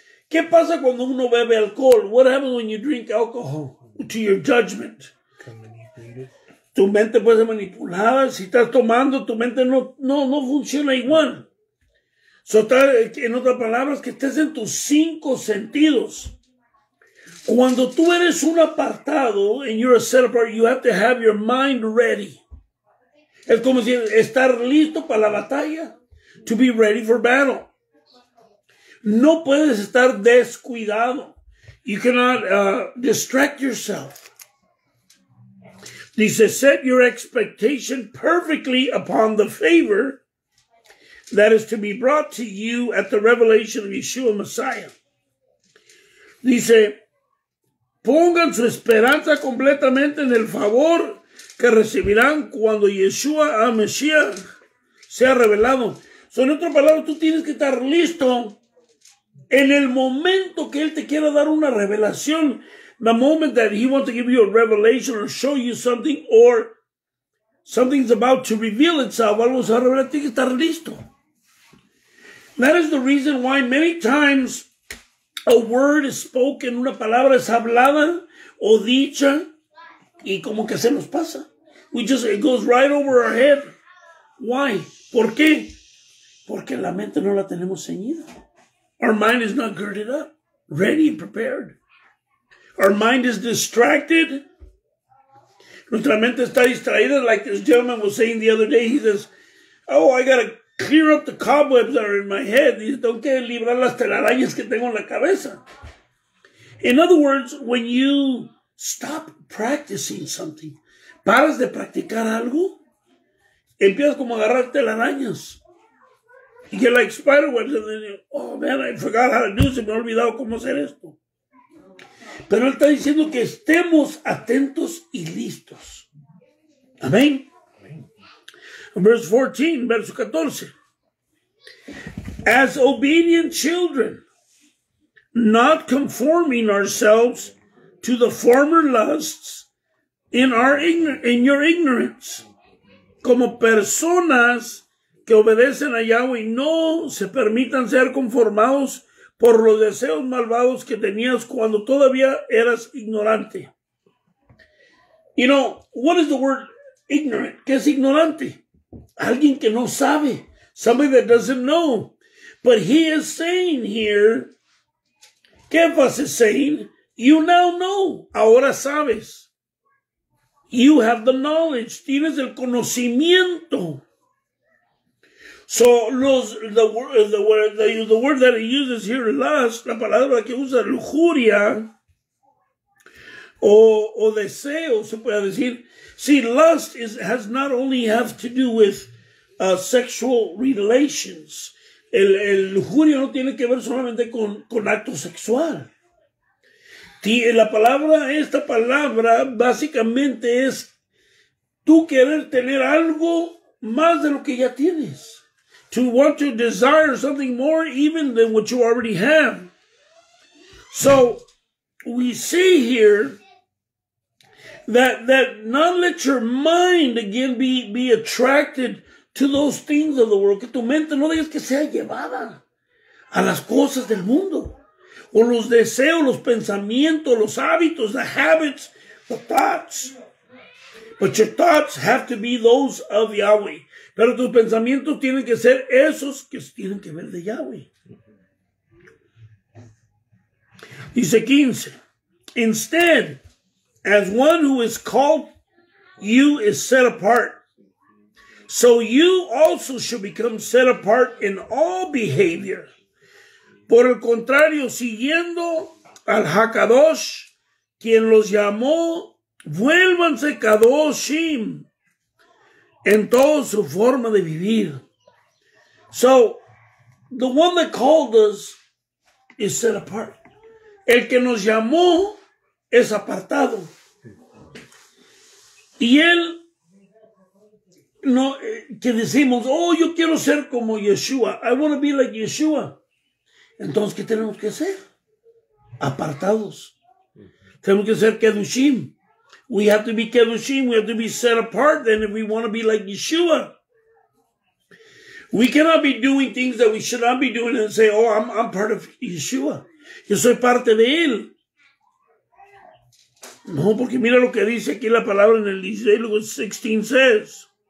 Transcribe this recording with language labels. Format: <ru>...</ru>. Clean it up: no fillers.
<es>¿Qué pasa cuando uno bebe alcohol?</es> <en>What happens when you drink alcohol? To your judgment.</en> <es>Tu mente puede ser manipulada. Si estás tomando, tu mente no funciona igual. So, en otras palabras, que estés en tus cinco sentidos. Cuando tú eres un apartado,</es> <en>and you're a set apart, you have to have your mind ready.</en> <es>Es como decir, estar listo para la batalla.</es> <en>To be ready for battle.</en> <es>No puedes estar descuidado.</es> <en>You cannot distract yourself. Dice, set your expectation perfectly upon the favor that is to be brought to you at the revelation of Yeshua Messiah.</en> <es>Dice, pongan su esperanza completamente en el favor que recibirán cuando Yeshua a Mesías sea revelado. So, en otra palabra, tú tienes que estar listo en el momento que Él te quiera dar una revelación.</es> <en>The moment that He wants to give you a revelation or show you something, or something's about to reveal itself,</en> <es>algo se va a revelar, tienes que estar listo.</es> <en>That is the reason why many times a word is spoken,</en> <es>una palabra es hablada o dicha, y como que se nos pasa.</es> <en>It goes right over our head. Why?</en> <es>¿Por qué? Porque la mente no la tenemos ceñida.</es> <en>Our mind is not girded up, ready and prepared. Our mind is distracted.</en> <es>Nuestra mente está distraída,</es> <en>like this gentleman was saying the other day. He says, oh, I got to clear up the cobwebs that are in my head.</en> <es>Y tengo que librar las telarañas que tengo en la cabeza.</es> <en>In other words, when you stop practicing something,</en> <es>paras de practicar algo, empiezas como a agarrar telarañas.</es> <en>You get like spider webs, and then oh man, I forgot how to do this.</en> <es>Se me ha olvidado cómo hacer esto. Pero Él está diciendo que estemos atentos y listos. Amén.</es> <en>Verse 14,</en> <es>verso 14.</es> <en>As obedient children, not conforming ourselves to the former lusts in your ignorance.</en> <es>Como personas que obedecen a Yahweh, no se permitan ser conformados por los deseos malvados que tenías cuando todavía eras ignorante.</es> <en>You know, what is the word ignorant?</en> <es>¿Qué es ignorante? Alguien que no sabe,</es> <en>somebody that doesn't know. But he is saying here, Kephas is saying, you now know,</en> <es>ahora sabes.</es> <en>You have the knowledge,</en> <es>tienes el conocimiento.</es> <en>So the word that he uses here, lust,</en> <es>la palabra que usa, lujuria, o deseo, se puede decir.</es> <en>See, lust has not only have to do with sexual relations.</en> <es>El lujuria no tiene que ver solamente con acto sexual. Esta palabra básicamente es tú querer tener algo más de lo que ya tienes.</es> <en>To want to desire something more even than what you already have. So, we see here that not let your mind again be attracted to those things of the world.</en> <es>Que tu mente no dejes que sea llevada a las cosas del mundo. O los deseos, los pensamientos, los hábitos,</es> <en>the habits, the thoughts. But your thoughts have to be those of Yahweh.</en> <es>Pero tus pensamientos tienen que ser esos que tienen que ver de Yahweh. Dice 15.</es> <en>Instead, as one who is called, you is set apart. So you also should become set apart in all behavior.</en> <es>Por el contrario, siguiendo al Hakadosh, quien los llamó, vuélvanse Kadoshim en toda su forma de vivir.</es> <en>So, the one that called us is set apart.</en> <es>El que nos llamó es apartado. Y él, no, que decimos, oh, yo quiero ser como Yeshua.</es> <en>I want to be like Yeshua.</en> <es>Entonces, ¿qué tenemos que ser? Apartados. Tenemos que ser Kedushim.</es> <en>We have to be Kedushim. We have to be set apart then if we want to be like Yeshua. We cannot be doing things that we should not be doing and say, oh, I'm part of Yeshua.</en> <es>Yo soy parte de él. No, porque mira lo que dice aquí la palabra en el 16 says.</es>